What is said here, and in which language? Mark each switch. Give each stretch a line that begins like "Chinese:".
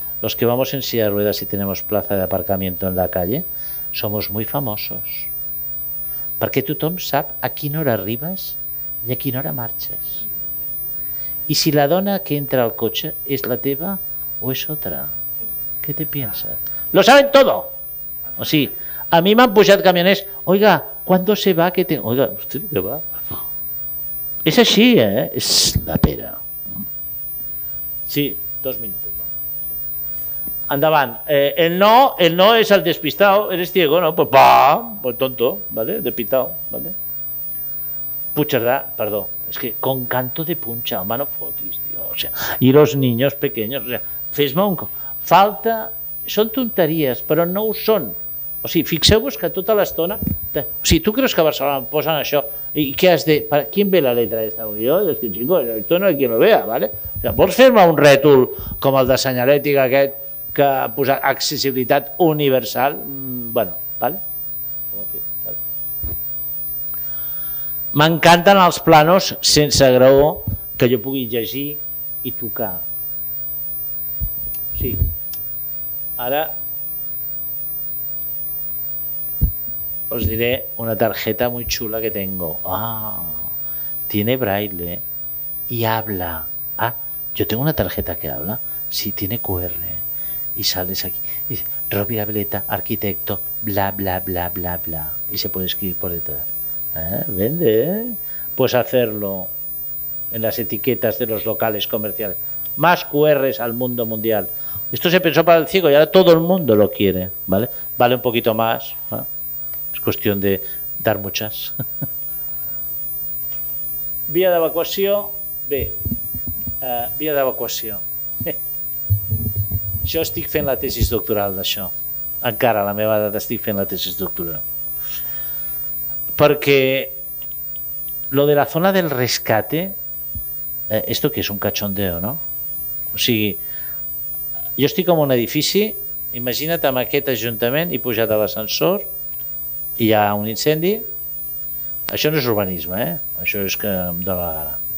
Spanish: Los que vamos en silla de ruedas y tenemos plaza de aparcamiento en la calle somos muy famosos.
Catalan: Perquè tothom sap a quina hora arribes i a quina hora marxes. I si la dona que entra al cotxe és la teva o és altra?
Spanish: ¿Qué te piensas? ¡Lo saben todo! O sí,
Catalan: a mi m'han pujat camioners,
Spanish: oiga, ¿cuándo se va? Que te... Oiga, hosti, ¿qué va? És així, eh?
Catalan: És la pera. Sí, dos minuts. No? Endavant.
Spanish: El no és el despistado, eres ciego, no? Pues va, pues tonto, ¿vale? Despistado, ¿vale?
Catalan: Puigcerdà, perdó, és que con canto de punxa, home, no fotis, tio, o sea, i
Spanish: los niños pequeños,
Catalan: o sea, fes-me un... Falta... Són tonteries, però no ho són. O sigui, fixeu-vos que tota l'estona... O sigui, tu creus que a Barcelona em posen això i què has de... Qui em ve la letra d'aquesta? Jo, és que, xico, això no hi ha qui no vea, ¿vale? O sigui, vols fer-me un rètol com el de senyalètica aquest que ha posat accessibilitat universal? Bueno, ¿vale? M'encanten els planos sense graó que jo pugui llegir i tocar. Sí.
Spanish: Ara os diré una tarjeta muy chula que tengo. Ah, tiene braille y habla. Ah, yo tengo una tarjeta que habla. Sí, tiene QR. Y sales aquí. Y dice, Robi Abeleta, arquitecto, bla, bla, bla, bla, bla. Y se puede escribir por detrás. Vende, ¿eh? Pues hacerlo en las etiquetas de los locales comerciales. Más QRs al mundo mundial. Esto se pensó para el ciego y ahora todo el mundo lo quiere, ¿vale? Vale un poquito más, ¿no? Es cuestión de dar muchas. Vía de evacuación, B. Vía de evacuación. Yo estoy
Catalan: fent la tesis doctoral de això. Encara a la meva edat estic fent la tesis doctoral.
Spanish: Porque lo de la zona del rescate, esto que es un cachondeo, ¿no?
Catalan: O sigui, jo estic en un edifici, imagina't amb aquest ajuntament i pujat a l'ascensor i hi ha un incendi. Això no és urbanisme, eh? Això és que em dóna la gana.